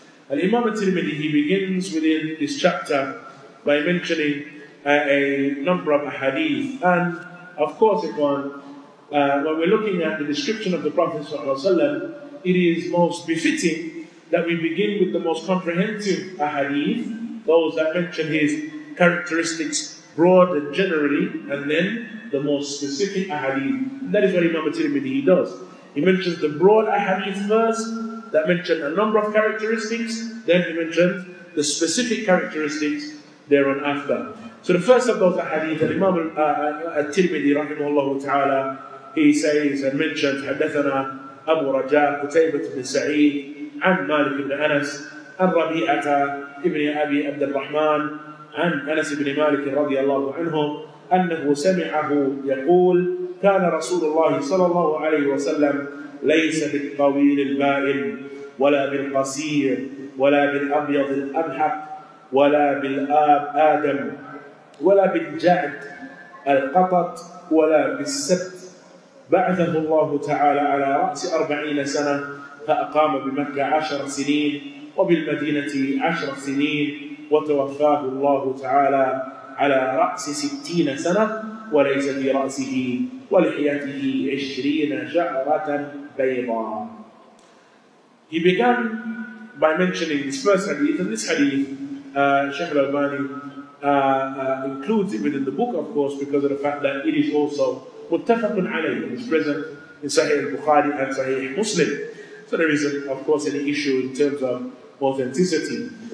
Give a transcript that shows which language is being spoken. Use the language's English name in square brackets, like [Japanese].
[English] Al-Imam al-Tirmidhi he begins within this chapter by mentioning a number of ahadith, and of course when we're looking at the description of the Prophet ﷺ, it is most befitting that we begin with the most comprehensive ahadith, those that mention his characteristics broad and generally, and then the most specific ahadith. And that is what Imam Tirmidhi he does. He mentions the broad ahadith first, that mention a number of characteristics, then he mentions the specific characteristics thereon after. So the first of those ahadith, Imam al-Tirmidhi rahimahullah ta'ala, he says and mentions, [Arabic] حدثنا أبو رجاء قتيبة بن سعيد عن مالك بن أنس عن ربيعة ابن أبي عبد الرحمن عن أنس بن مالك رضي الله عنه أنه سمعه يقول كان رسول الله صلى الله عليه وسلم ليس بالطويل البائن ولا بالقصير ولا بالأبيض الأبحق ولا بالآب آدم ولا بالجعد القطط ولا بالسبت بعثه الله تعالى على رأس 40 سنة فأقام بمكة 10 سنين وبالمدينة 10 سنين وتوفاه الله تعالى على رأس 60 سنة وليس في رأسه ولحيته 20 شعرة بيضاء. [English] He began by mentioning this first hadith, and this hadith Sheikh al-Albani includes it within the book, of course, because of the fact that it is also متفق عليه, is present in Sahih al-Bukhari and Sahih Muslim. So there isn't, of course, any issue in terms of authenticity.